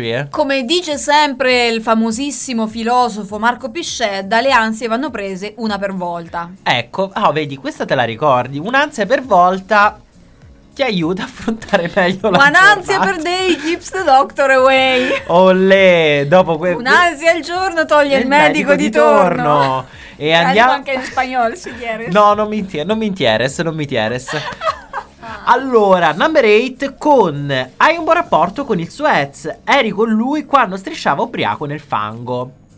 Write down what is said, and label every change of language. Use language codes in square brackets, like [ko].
[it] Come dice sempre il famosissimo filosofo Marco Piscedda, le ansie vanno prese una per volta. Ecco, oh, vedi, questa te la ricordi. Un'ansia per volta ti aiuta a affrontare meglio la giornata. Un'ansia [en] per day keeps the doctor away. [it] Olè, dopo un'ansia al giorno toglie il medico di torno. E andiamo anche in spagnolo, [es] si quieres. [it] No, non mi interessa. Allora, [en] number 8, [it] con hai un buon rapporto con il suo ex, eri con lui quando strisciava ubriaco nel fango.